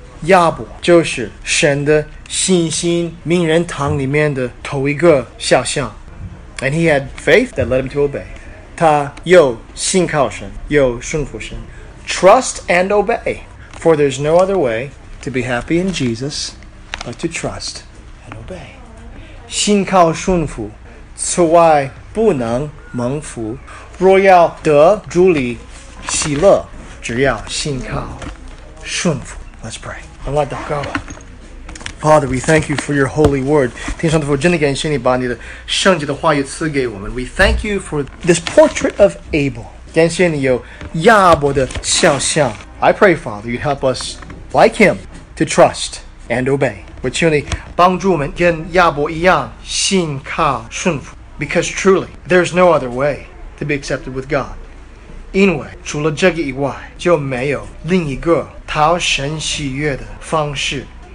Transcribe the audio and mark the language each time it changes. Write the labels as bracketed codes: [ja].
[zh] 亚伯就是神的信心名人堂里面的头一个肖像 [en] And he had faith that led him to obey [zh] 他又信靠神又顺服神 [en] Trust and obey For there's no other way to be happy in Jesus But to trust and obey [zh] 信靠顺服此外不能蒙福。若要得主里喜乐，只要信靠顺服。 [en] Let's pray. [zh] 我们来祷告吧。 [en] Father, we thank you for your holy word. [zh] 天上的父，真的感谢你把你的圣洁的话语赐给我们。 [en] We thank you for this portrait of Abel. [zh] 感谢你有亚伯的肖像。 [en] I pray, Father, you help us, like him, to trust and obey. [zh] 我求你帮助我们跟亚伯一样信靠顺服。 [en] Because truly, there's no other way to be accepted with God. [zh] 因为除了这个以外，就没有另一个讨神喜悦的方式。